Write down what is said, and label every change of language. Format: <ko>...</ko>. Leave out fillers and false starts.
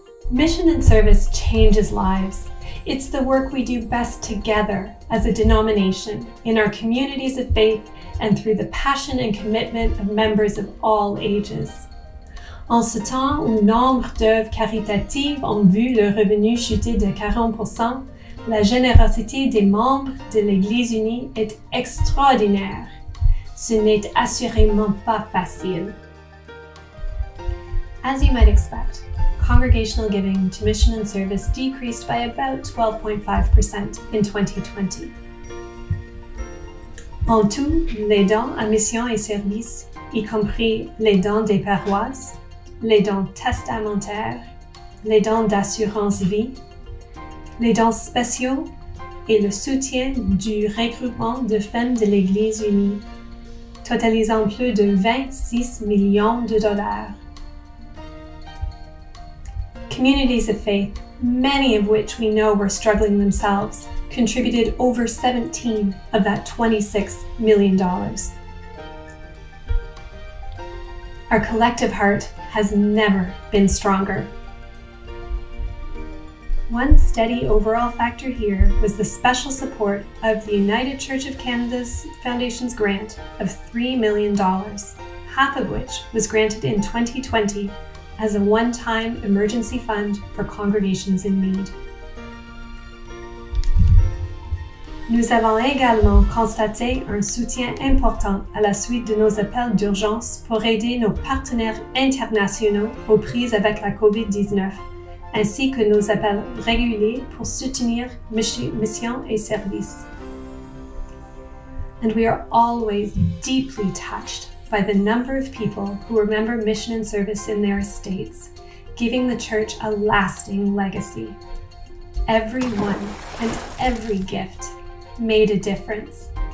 <en>Mission and service changes lives. It's the work we do best together as a denomination in our communities of faith and through the passion and commitment of members of all ages.</en> <fr>En ce temps où nombre d'œuvres caritatives ont vu le revenu chuter de 40%, la générosité des membres de l'Église unie est extraordinaire. Ce n'est assurément pas facile.</fr> <en>As you might expect, congregational giving to mission and service decreased by about 12.5% in 2020.</en> <fr>En tout, les dons à mission et service, y compris les dons des paroisses, les dons testamentaires, les dons d'assurance vie, les dons spéciaux et le soutien du regroupement de femmes de l'Église unie, totalisant plus de 26 millions de dollars.</fr> <en>Communities of faith, many of which we know were struggling themselves, contributed over 17 of that $26 million. Our collective heart has never been stronger. One steady overall factor here was the special support of the United Church of Canada's Foundation's grant of $3 million, half of which was granted in 2020 as a one-time emergency fund for congregations in need.</en> <fr>Nous avons également constaté un soutien important à la suite de nos appels d'urgence pour aider nos partenaires internationaux aux prises avec la COVID-19, ainsi que nos appels réguliers pour soutenir mission et service.</fr> <en>And we are always deeply touched by the number of people who remember mission and service in their estates, giving the church a lasting legacy. Everyone and every gift made a difference.</en>